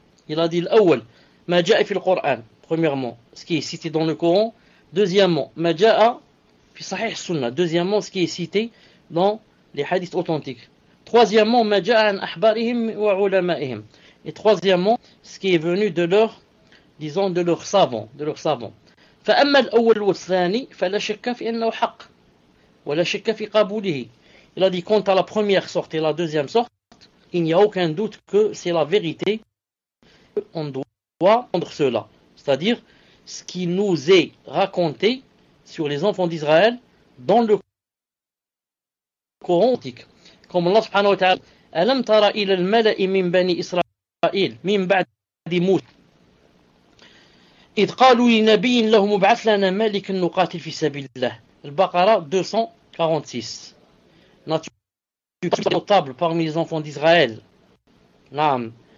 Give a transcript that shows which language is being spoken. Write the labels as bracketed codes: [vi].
[fr] Il a dit [ar] l'awwal, ma ja'a fil Qur'an, [fr] premièrement, ce qui est cité dans le Coran, deuxièmement, [ar] ma ja'a fi sahih sunnah, [fr] deuxièmement, ce qui est cité dans les hadiths authentiques. Troisièmement, [ar] ma ja'a an ahbarihim wa ulama'ihim. [fr] Et troisièmement, ce qui est venu de leur, disons, de leurs savants, de leurs savants. [ar] فأما الأول والثاني فلا شك في أنه حق ولا شك في قبوله. [fr] Il a dit, quant à la première sorte et la deuxième sorte, il n'y a aucun doute que c'est la vérité, on doit prendre cela. C'est-à-dire, ce qui nous est raconté sur les enfants d'Israël dans le Coran antique. [ar] Comme Allah subhanahu wa ta'ala, أَلَمْ تَرَ إِلَى الْمَلَإِ مِنْ بَنِي إِسْرَائِيلَ مِنْ بَعْدِ مُوسَى إِذْ قَالُوا لِنَبِيٍّ لَهُ مُبْعَثْ لَنَا مَلِكًا نُقَاتِلْ فِي سَبِيلِ اللَّهِ. Al-Baqarah 246. [fr] N'as-tu pas été notable parmi les enfants d'Israël? Naam.